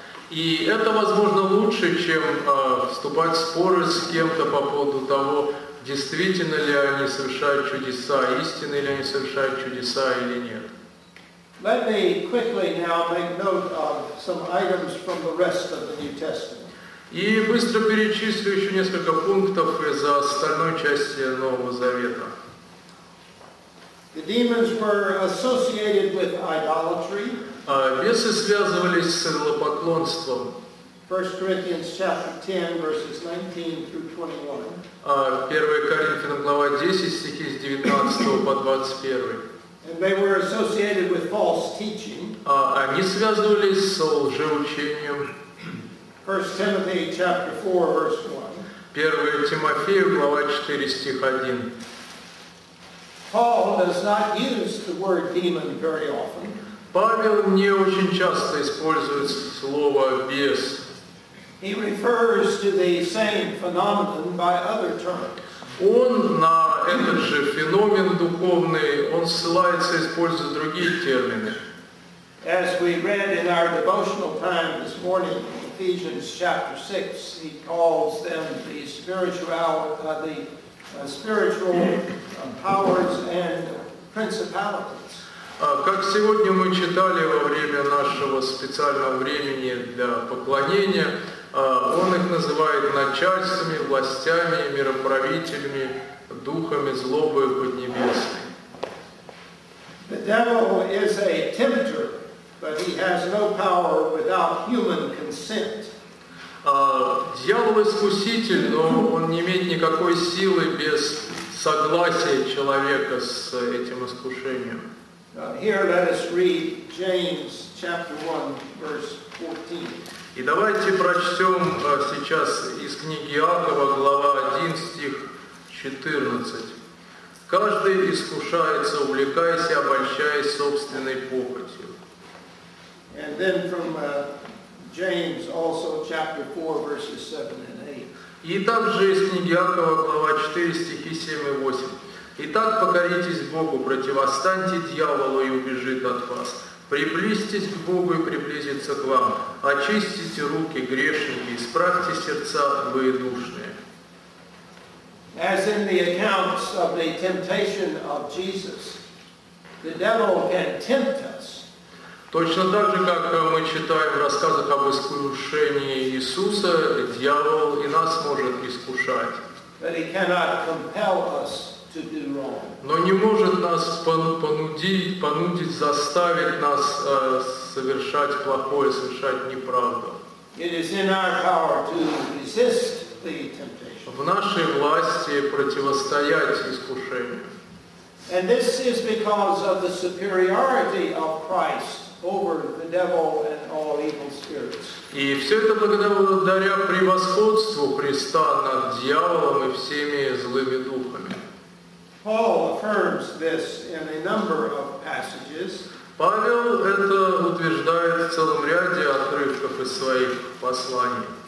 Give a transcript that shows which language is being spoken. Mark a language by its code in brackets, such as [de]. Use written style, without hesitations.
[ru] И это, возможно, лучше, чем вступать в споры с кем-то по поводу того, действительно ли они совершают чудеса, истинно ли они совершают чудеса или нет. [en] Let me quickly now make note of some items from the rest of the New Testament. [ru] И быстро перечислю еще несколько пунктов из остальной части Нового Завета. [en] The demons were associated with idolatry. [ru] Бесы связывались с идолопоклонством. [en] 1 Corinthians chapter 10, verses 19 through 21. [ru] 1 Коринфянам глава 10, стихи с 19 по 21. [en] And they were associated with false teaching. [ru] Они связывались с лжеучением. [en] 1 Timothy chapter 4, verse 1. [ru] 1 Тимофею, глава 4, стих 1. [en] Paul does not use the word demon very often. [ru] Павел не очень часто использует слово «бес». [en] He refers to the same phenomenon by other terms. [ru] Он на этот же феномен духовный, он ссылается, используя другие термины. [en] As we read in our devotional time this morning, Ephesians chapter 6, he calls them the spiritual powers and principalities. [ru] Как сегодня мы читали во время нашего специального времени для поклонения, он их называет начальствами, властями, мироправителями, духами злобы поднебесной. [en] The devil is a tempter, but he has no power without human consent. [ru] Дьявол искуситель, но он не имеет никакой силы без согласия человека с этим искушением. [en] Here let us read James chapter 1, verse 14. [ru] И давайте прочтем сейчас из книги Иакова, глава 1, стих 14. Каждый искушается, увлекаясь и обольщаясь собственной похотью. [en] And then from James also chapter 4, verses 7 and 8. [ru] И также из книги Иакова, глава 4, стихи 7 и 8. Итак, покоритесь Богу, противостаньте дьяволу, и убежит от вас. Приблизьтесь к Богу, и приблизится к вам. Очистите руки, грешники, исправьте сердца, вы и душные. [en] As in the accounts of the temptation of Jesus, the devil can tempt us. [ru] Точно так же, как мы читаем в рассказах об искушении Иисуса, дьявол и нас может искушать. [en] But he cannot compel us. [ru] Но не может нас понудить, заставить нас совершать плохое, совершать неправду. [en] It is in our power to resist the temptation. [ru] В нашей власти противостоять искушению. [en] And this is because of the superiority of Christ over the devil and all evil spirits. [ru] И все это благодаря превосходству Христа над дьяволом и всеми злыми духами. [en] Paul affirms this in a number of passages. [ru] Павел это утверждает в целом ряде отрывков из своих посланий.